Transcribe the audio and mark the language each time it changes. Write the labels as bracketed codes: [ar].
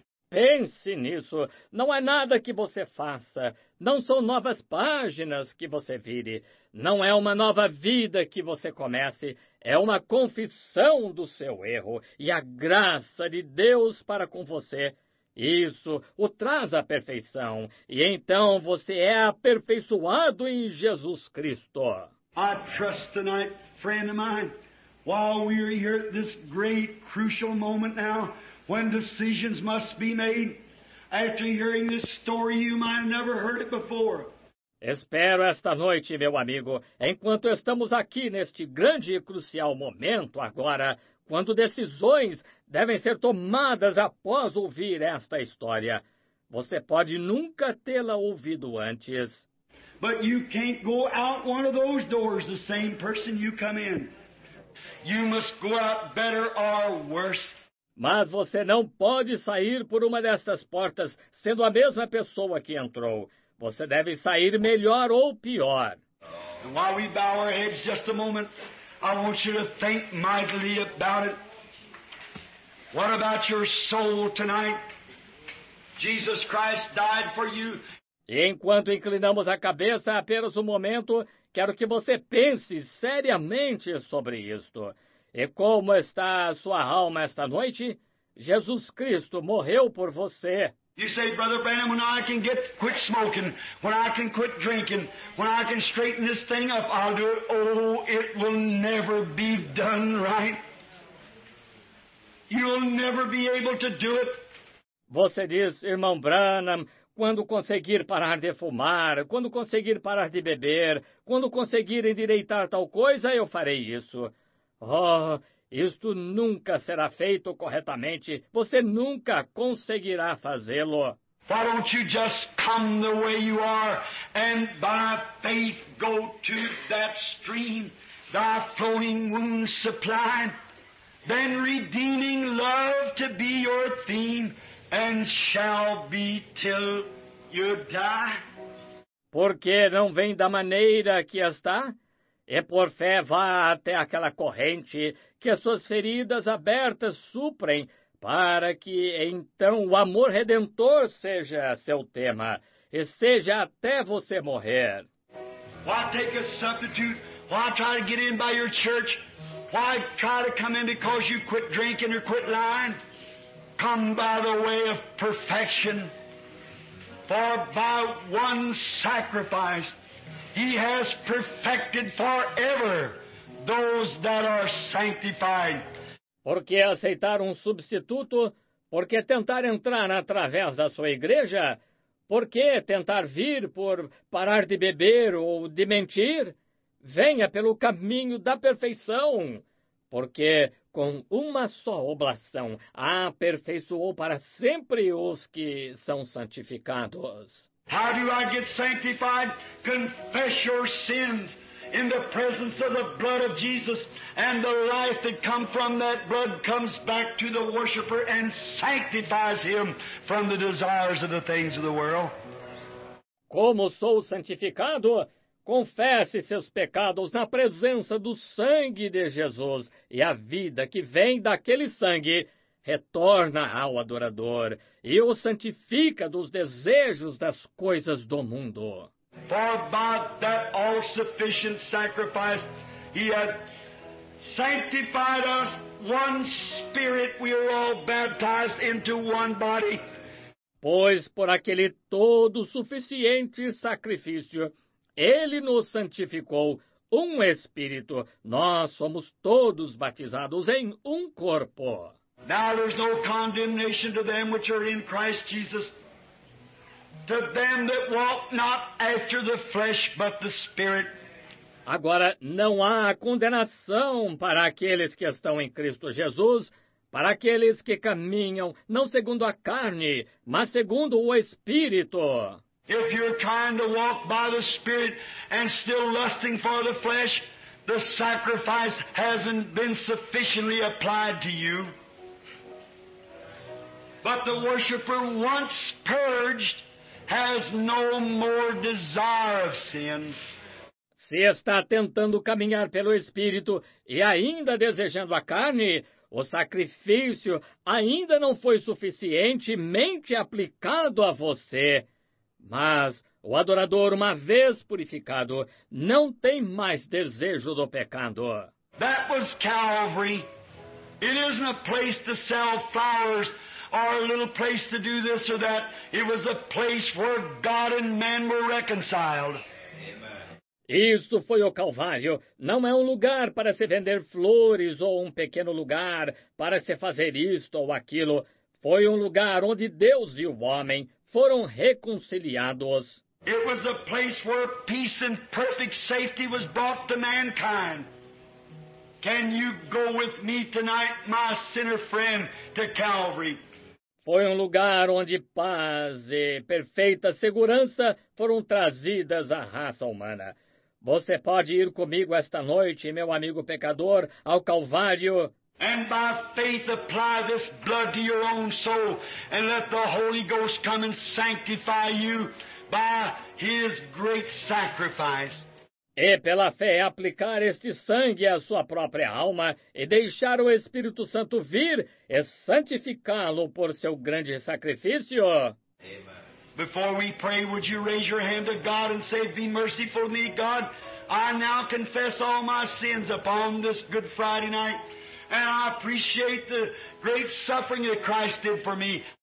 [pt] Pense nisso. Não é nada que você faça. Não são novas páginas que você vire. Não é uma nova vida que você comece. É uma confissão do seu erro e a graça de Deus para com você. Isso o traz à perfeição. E então você é aperfeiçoado em Jesus Cristo. [en] I trust tonight, friend of mine, while we are here at this great crucial moment now, when decisions must be made, after hearing this story, you might have never heard it before. [pt] Espero esta noite, meu amigo, enquanto estamos aqui neste grande e crucial momento agora, quando decisões devem ser tomadas após ouvir esta história. Você pode nunca tê-la ouvido antes. [en] But you can't go out one of those doors the same person you come in. You must go out better or worse. [pt] Mas você não pode sair por uma destas portas sendo a mesma pessoa que entrou. Você deve sair melhor ou pior. [en] And while we bow our heads just a moment, I want you to think mightily about it. What about your soul tonight? Jesus Christ died for you. [pt] E enquanto inclinamos a cabeça, apenas um momento, quero que você pense seriamente sobre isto. E como está a sua alma esta noite? Jesus Cristo morreu por você. [en] You say, Brother Branham, when I can get quit smoking, when I can quit drinking, when I can straighten this thing up, I'll do it. Oh, it will never be done right. You'll never be able to do it. [pt] Você diz, irmão Branham, quando conseguir parar de fumar, quando conseguir parar de beber, quando conseguir endireitar tal coisa, eu farei isso. Oh, isto nunca será feito corretamente. Você nunca conseguirá fazê-lo. [en] Why don't you just come the way you are and by faith go to that stream, thy flowing wounds supplied, then redeeming love to be your theme and shall be till you die? [pt] Por que não vem da maneira que está? E por fé vá até aquela corrente que as suas feridas abertas suprem, para que então o amor redentor seja seu tema, e seja até você morrer. [en] Why take a substitute? Why try to get in by your church? Why try to come in because you quit drinking or quit lying? Come by the way of perfection. For by one sacrifice He has perfected forever those that are sanctified. [pt] Por que aceitar um substituto? Por que tentar entrar através da sua igreja? Por que tentar vir por parar de beber ou de mentir? Venha pelo caminho da perfeição. Porque com uma só oblação aperfeiçoou para sempre os que são santificados. [en] How do I get sanctified? Confess your sins in the presence of the blood of Jesus, and the life that comes from that blood comes back to the worshiper and sanctifies him from the desires of the things of the world. [pt] Como sou santificado? Confesse seus pecados na presença do sangue de Jesus, e a vida que vem daquele sangue retorna ao adorador e o santifica dos desejos das coisas do mundo. [en] For by that all-sufficient sacrifice he has sanctified us, one spirit we are all baptized into one body. [pt] Pois por aquele todo suficiente sacrifício, ele nos santificou, um espírito, nós somos todos batizados em um corpo. [en] Now there's no condemnation to them which are in Christ Jesus, to them that walk not after the flesh but the Spirit. [pt] Agora não há condenação para aqueles que estão em Cristo Jesus, para aqueles que caminham não segundo a carne, mas segundo o Espírito. [en] If you're trying to walk by the Spirit and still lusting for the flesh, the sacrifice hasn't been sufficiently applied to you. But the worshiper, once purged, has no more desire of sin. [pt] Se está tentando caminhar pelo Espírito e ainda desejando a carne, o sacrifício ainda não foi suficientemente aplicado a você. Mas o adorador, uma vez purificado, não tem mais desejo do pecado. [en] That was Calvary. It isn't a place to sell flowers or a little place to do this or that. It was a place where God and man were reconciled. [pt] Isso foi o Calvário. Não é um lugar para se vender flores ou um pequeno lugar para se fazer isto ou aquilo. Foi um lugar onde Deus e o homem foram reconciliados. [en] It was a place where peace and perfect safety was brought to mankind. Can you go with me tonight, my sinner friend, to Calvary? [pt] Foi um lugar onde paz e perfeita segurança foram trazidas à raça humana. Você pode ir comigo esta noite, meu amigo pecador, ao Calvário. [en] And by faith apply this blood to your own soul and let the Holy Ghost come and sanctify you by His great sacrifice. [pt] E pela fé aplicar este sangue à sua própria alma e deixar o Espírito Santo vir e santificá-lo por seu grande sacrifício. [en] Before we pray, would you raise your hand to God and say, be merciful to me, God. I now confess all my sins upon this Good Friday night. And I appreciate the great suffering that Christ did for me.